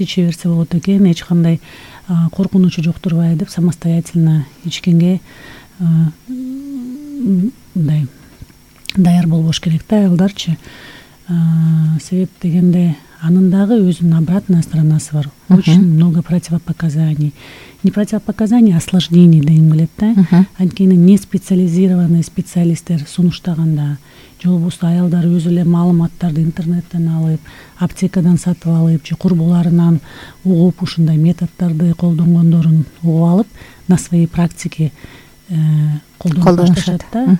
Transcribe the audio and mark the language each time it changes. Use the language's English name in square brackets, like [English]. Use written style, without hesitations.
[Kyrgyz] иче берсе болот экен, эч кандай коркунучу жоктурбайт деп самостоятельно ичкенге мындай даяр болбош керек да аялдарчы. Себеп дегенде анын дагы өзүнүн обратная сторонасы бар. [Russian] Очень много противопоказаний. Не противопоказаний, а осложнений [Kyrgyz] дейм келет да. Анткени не специализированный специалисттер сунуштаганда, же болбосо аялдар өзү эле маалыматтарды интернеттен алып, аптекадан сатып алып, же курбуларынан угуп, ушундай методдорду колдонгондорун угуп алып [Russian] на своей практике [Kyrgyz] колдонушат да.